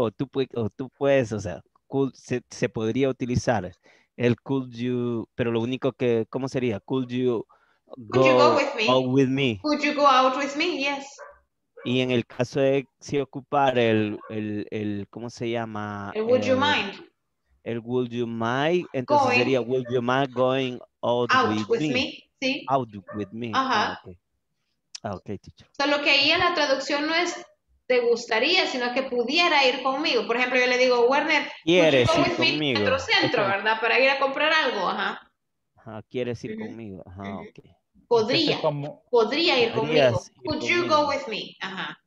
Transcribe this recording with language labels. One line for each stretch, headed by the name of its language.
Spanish: O tú puedes, o sea, could, se podría utilizar el
English: could you,
Spanish: pero lo único que, ¿cómo sería?
English: Could you go with me? Could you go out with me? Yes.
Spanish: Y en el caso de si ocupar el ¿cómo se llama?
English: Would you mind?
Spanish: Entonces
English: going.
Spanish: Sería,
English: would you mind going out with me?
Spanish: Sí.
English: Out with me. Ajá. Ah, okay, teacher.
Spanish: Solo que ahí en la traducción no es te gustaría, sino que pudiera ir conmigo. Por ejemplo, yo le digo, Werner, ¿quieres ir conmigo? Al centro, ¿verdad? Para ir a comprar algo, ajá. Ajá, ¿quieres ir conmigo? Ajá, ok. Podría ir conmigo.
English: Could you go with me? Ajá.